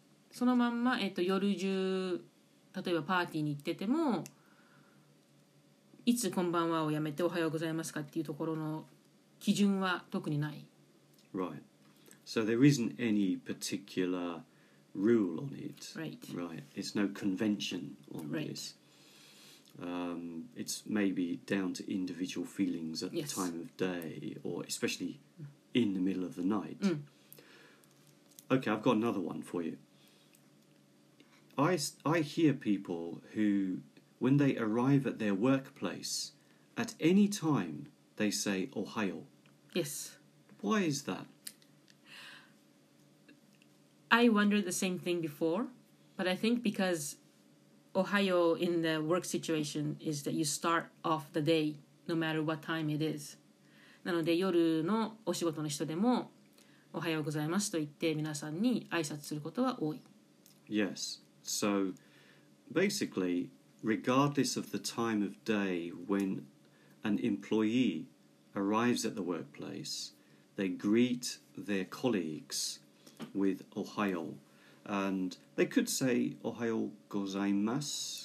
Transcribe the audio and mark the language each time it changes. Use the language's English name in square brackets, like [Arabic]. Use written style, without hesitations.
[Japanese] そのまんま、夜中、例えばパーティーに行ってても、いつこんばんはをやめておはようございますかっていうところの基準は特にない。 [English] Right. So there isn't any particular rule on it. Right. Right. It's no convention on this. It's maybe down to individual feelings at the time of day, or especially in the middle of the night. Okay, I've got another one for you. I hear people who, when they arrive at their workplace, at any time they say ohayo. Yes. Why is that? I wondered the same thing before, but I think because... Ohayo in the work situation is that you start off the day no matter what time it is. [Japanese] なので夜のお仕事の人でもおはようございますと言って皆さんに挨拶することは多い。 [English] Yes. So basically, regardless of the time of day when an employee arrives at the workplace, they greet their colleagues with ohayo. And they could say ohayou gozaimasu,